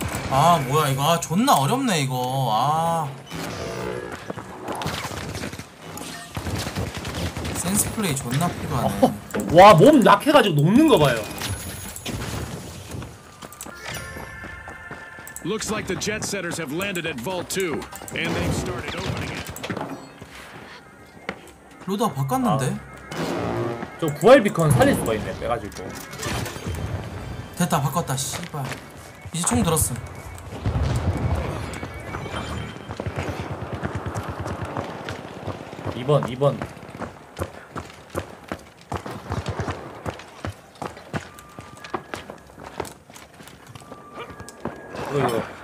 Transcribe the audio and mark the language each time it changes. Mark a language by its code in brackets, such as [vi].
[ko] 아 뭐야 이거. 아 존나 어렵네 이거. 아 센스 플레이 존나 필요하네. 어, 와 몸 약해가지고 녹는 거 봐요. [en] Looks like the jet setters have landed at Vault 2 and they've started opening it. [ko] 로드 바꿨는데? 아, 저 구할 비컨 살릴 수가 있네 빼가지고. 됐다 바꿨다 씨발. 이제 총 들었음. 2번, 2번. 이거, 이거.